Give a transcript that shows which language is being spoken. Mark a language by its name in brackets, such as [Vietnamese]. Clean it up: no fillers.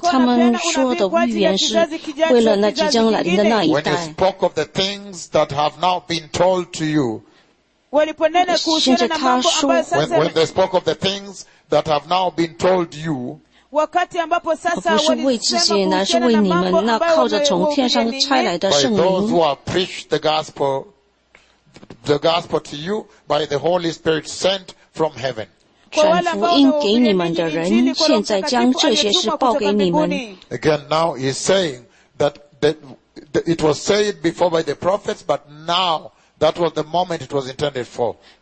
[English] when you spoke of the things that have now been told to you, [Chinese] 现在他说, [English] when they spoke of the things that have now been told you, [Chinese] 不是为自己，乃是为你们那靠着从天上差来的圣灵。By [English] those who have preached the gospel to you by the Holy Spirit sent from heaven. [Chinese] 传福音给你们的人，现在将这些事报给你们。 [English] Again, now he is saying that it was said before by the prophets, but now that was the moment it was intended for.